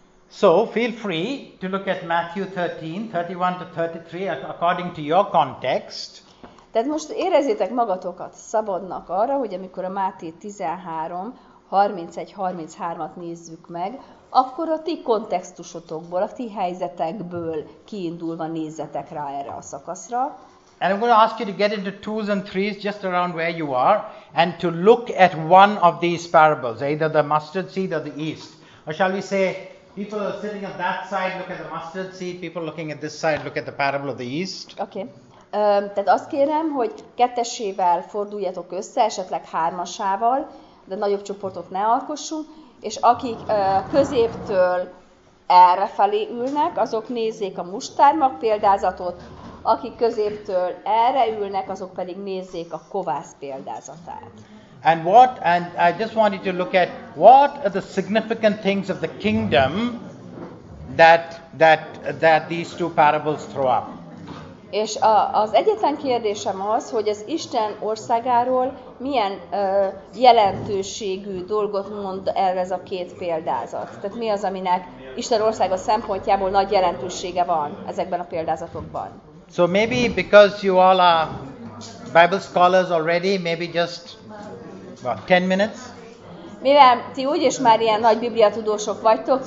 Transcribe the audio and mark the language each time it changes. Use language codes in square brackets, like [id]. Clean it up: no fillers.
[en] So, feel free to look at Matthew 13:31-33 according to your context. [hu] Tehát most érezzétek magatokat szabadnak arra, hogy amikor a Máté 13:31-33-at nézzük meg, akkor a ti kontextusotokból, a ti helyzetekből kiindulva nézzetek rá erre a szakaszra. [en] And I'm going to ask you to get into twos and threes just around where you are and to look at one of these parables, either the mustard seed or the yeast. Or shall we say, people are sitting at that side, look at the mustard seed, people looking at this side, look at the parable of the yeast. Okay. [hu] Tehát azt kérem, hogy kettesével forduljatok össze, esetleg hármasával, de nagyobb csoportot ne alkossunk, és akik középtől erre felé ülnek, azok nézzék a mustármag példázatot, akik középtől erre ülnek, azok pedig nézzék a kovász példázatát. [en] And what, and I just wanted to look at what are the significant things of the kingdom that these two parables throw up. [hu] És az egyetlen kérdésem az, hogy az Isten országáról milyen jelentőségű dolgot mond el ez a két példázat. Tehát mi az, aminek Isten országa szempontjából nagy jelentősége van ezekben a példázatokban? [en] So maybe because you all are Bible scholars already, maybe just about 10 minutes. [hu] Mivel ti úgyis már ilyen nagy biblia tudósok vagytok,